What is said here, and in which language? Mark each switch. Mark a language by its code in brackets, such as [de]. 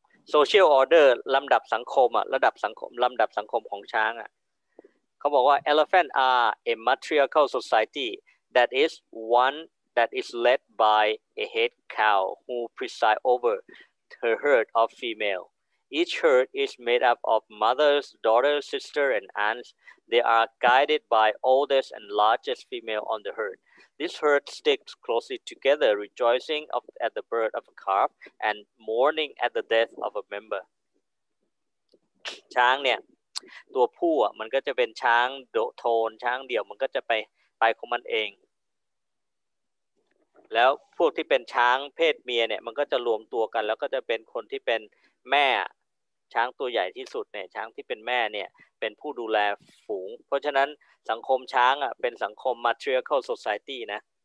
[th] โซเชียลออเดอร์ลำดับสังคมอะระดับสังคมลำดับสังคมของช้างอะเขาบอกว่า [en] elephant are a matriarchal society that is one that is led by a head cow who preside over her herd of female. Each herd is made up of mothers, daughters, sisters, and aunts. They are guided by oldest and largest female on the herd. This herd sticks closely together, rejoicing at the birth of a calf and mourning at the death of a member. [th] ช้างเนี่ยตัวผู้อ่ะมันก็จะเป็นช้างโดโทนช้างเดี่ยวมันก็จะไปของมันเองแล้วพวกที่เป็นช้างเพศเมียเนี่ยมันก็จะรวมตัวกันแล้วก็จะเป็นคนที่เป็นแม่ช้างตัวใหญ่ที่สุดเนี่ยช้างที่เป็นแม่เนี่ยเป็นผู้ดูแลฝูงเพราะฉะนั้นสังคมช้างอ่ะเป็นสังคม matriarchal society นะ